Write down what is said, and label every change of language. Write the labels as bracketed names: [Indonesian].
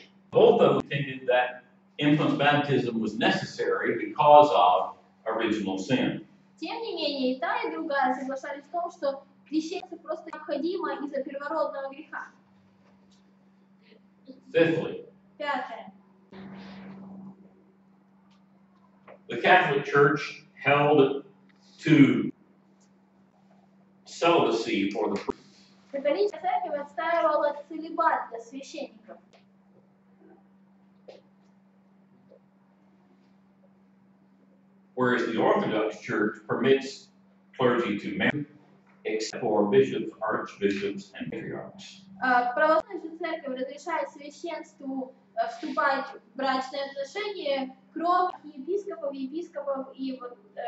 [English] Both of them intended that infant baptism was necessary because of original sin. [Russian] Тем не менее, и та, и другая соглашались в том, что крещение просто необходимо из-за первородного греха. [English] Fifthly. [Russian] Пятое. [English] The Catholic Church held to celibacy for the priests. [Russian] Католическая церковь отстаивала целибат для священников. [English] Whereas the Orthodox Church permits clergy to marry, except for bishops, archbishops, and patriarchs. [Russian] Православная церковь разрешает священству вступать в брачные отношения, кроме епископов и вот